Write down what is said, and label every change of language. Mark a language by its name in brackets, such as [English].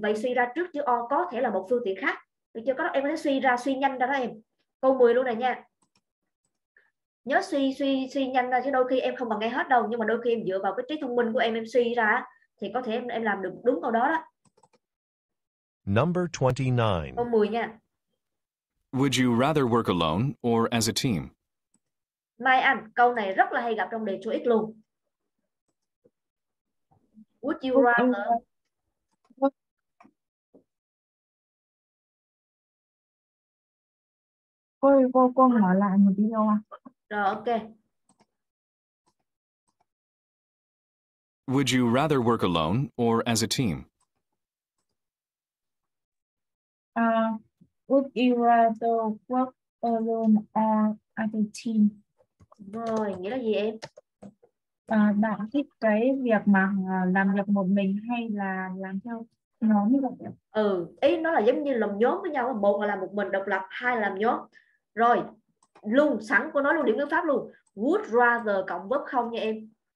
[Vietnamese] Vậy suy ra trước chứ o có thể là một phương tiện khác. Được chưa? Có đó, em có thể suy ra, suy nhanh ra đó em. Câu 10 luôn này nha. Nhớ suy nhanh ra chứ đôi khi em không bằng nghe hết đâu. Nhưng mà đôi khi em dựa vào cái trí thông minh của em suy ra thì có thể em làm được đúng câu đó đó. [English] Number 29. [Vietnamese] Câu 10 nha. [English] Would you rather work alone or as a team? [Vietnamese] Mai Anh, câu này rất là hay gặp trong đề số X luôn. [English] Would you rather? [Vietnamese] Cô mở lại một video ạ. Rồi, ok. [English] Would you rather work alone or as a team? Would you rather work alone or as a team? [Vietnamese] Rồi, nghĩa là gì em? Bạn thích cái việc mà làm việc một mình hay là làm theo nhóm như vậy? Ừ, ý nó là giống như làm nhóm với nhau. Một là làm một mình độc lập, hai là làm nhóm. Rồi, luôn sẵn cô nói luôn điểm ngữ pháp luôn. Would rather cộng verb không nha em.